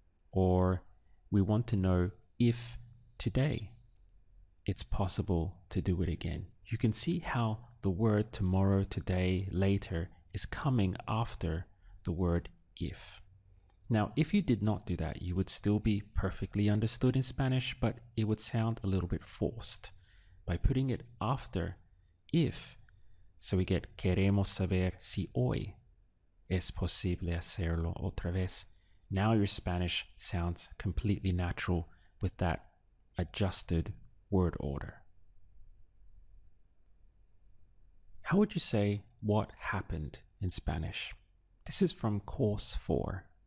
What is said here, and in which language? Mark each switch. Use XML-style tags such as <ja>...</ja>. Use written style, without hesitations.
<en>Or we want to know if today it's possible to do it again. You can see how the word tomorrow, today, later is coming after the word if. Now, if you did not do that, you would still be perfectly understood in Spanish, but it would sound a little bit forced. By putting it after if, so we get</en> <es>queremos saber si hoy es posible hacerlo otra vez.</es> <en>Now your Spanish sounds completely natural with that adjusted word order. How would you say what happened in Spanish? This is from course 4.</en>